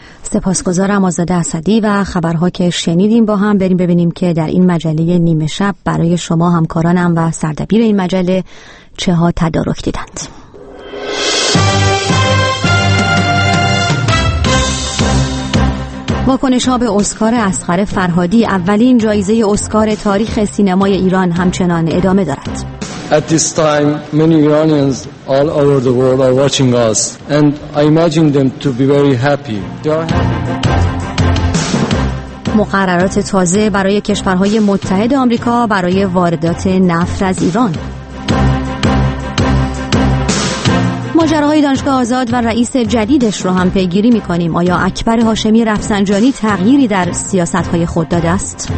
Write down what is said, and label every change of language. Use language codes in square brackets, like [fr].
[fa] سپاسگزارم آزاده اسدی و خبرها که شنیدیم. با هم بریم ببینیم که در این مجله نیمه شب برای شما همکارانم و سردبیر این مجله چه ها تدارک دیدند. واکنش‌ها به اسکار اصغر فرهادی، اولین جایزه اسکار تاریخ سینمای ایران همچنان ادامه دارد. [en] At this time many Iranians all over the world are watching us and I imagine them to be very happy. [fa] مقررات تازه برای کشورهای متحد آمریکا برای واردات نفت از ایران. ماجراهای دانشگاه آزاد و رئیس جدیدش رو هم پیگیری میکنیم. آیا اکبر هاشمی رفسنجانی تغییری در سیاستهای خود داده است؟